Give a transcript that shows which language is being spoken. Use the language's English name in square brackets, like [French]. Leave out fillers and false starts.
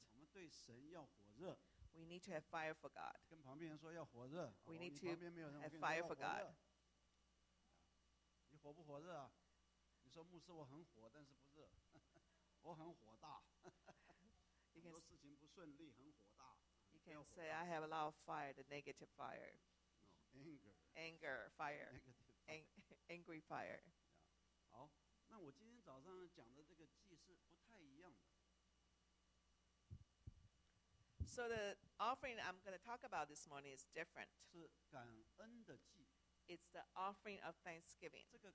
[Chinese] 我们对神要火热。 [English] We need to have fire for God. [Chinese] 跟旁边人说要火热, [English] we need to have fire for God. [Chinese] 你火不火热啊? 你说牧师我很火,但是不热。我很火大。很多事情不顺利, 很火大。 [English] You can say I have a lot of fire, the negative fire. No, anger. Anger, fire. Negative. Angry fire. [Chinese] 好,那我今天早上讲的这个祭是不太一样的。 [English] So the offering I'm going to talk about this morning is different. It's the offering of thanksgiving.